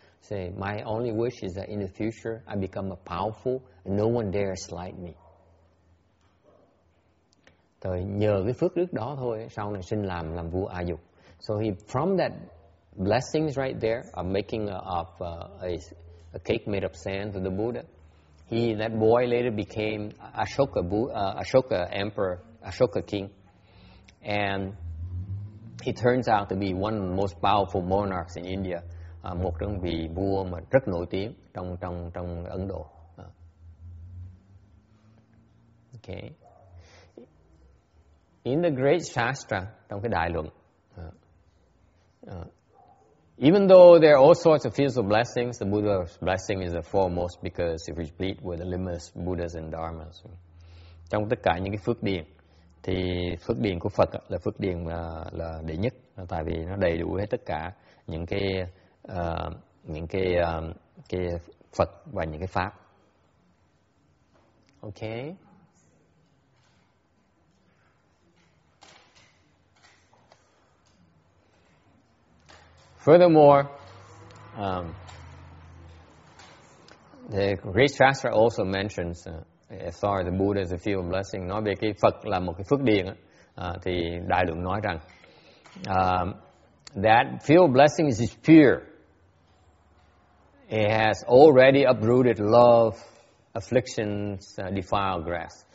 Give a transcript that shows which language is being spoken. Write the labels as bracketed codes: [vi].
[en] Say my only wish is that in the future I become a powerful and no one dare slight me. [vi] Rồi nhờ cái phước đức đó thôi, sau này sinh làm vua A Dục. [en] So he, from that blessings right there of making a cake made of sand to the Buddha, he, that boy later became Ashoka emperor, Ashoka king, and he turns out to be one of the most powerful monarchs in India, [vi] một trong vị vua mà rất nổi tiếng trong Ấn Độ. [en] Okay. In the great shastra, [vi] trong cái đại luận, [en] even though there are all sorts of physical blessings, the Buddha's blessing is the foremost because it's replete with the limitless Buddhas and Dharmas. [vi] Trong tất cả những cái phước điền, thì phước điền của Phật là phước điền là đệ nhất, tại vì nó đầy đủ hết tất cả những cái Phật và những cái pháp. [en] Okay. Furthermore, the great shastra also mentions, the Buddha is a field of blessing. [vi] Nói về cái Phật là một cái phước điền, thì đại lượng nói rằng [en] that field of blessing is pure. It has already uprooted love, afflictions, defiled grass.